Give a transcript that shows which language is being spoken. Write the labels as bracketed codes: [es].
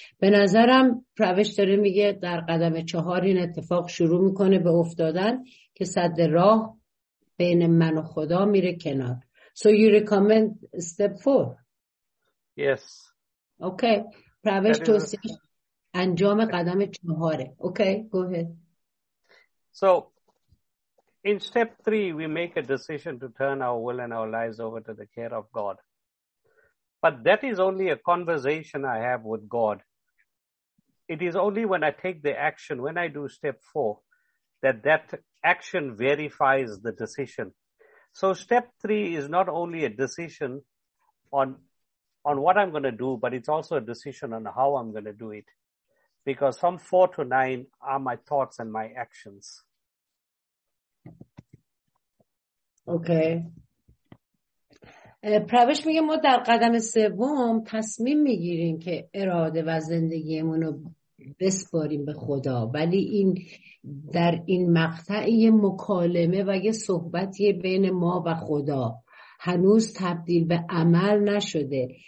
[fa] به نظرم پروش داره میگه در قدم چهار این اتفاق شروع میکنه به افتادن که سد راه بین من و خدا میره کنار. [en] So you recommend step four? Yes. Okay. [fa] پروش توصیه انجام قدم چهاره. [en] Okay, go ahead. So in step three, we make a decision to turn our will and our lives over to the care of God. But that is only a conversation I have with God. It is only when I take the action, when I do step four, that action verifies the decision. So step three is not only a decision on what I'm going to do, but it's also a decision on how I'm going to do it. Because from 4 to 9 are my thoughts and my actions. Okay. [fa] پروش میگه ما در قدم سوم تصمیم میگیریم که اراده و زندگیمون رو بسپاریم به خدا، ولی این در این مقطع یه مکالمه و یه صحبتی بین ما و خدا، هنوز تبدیل به عمل نشده.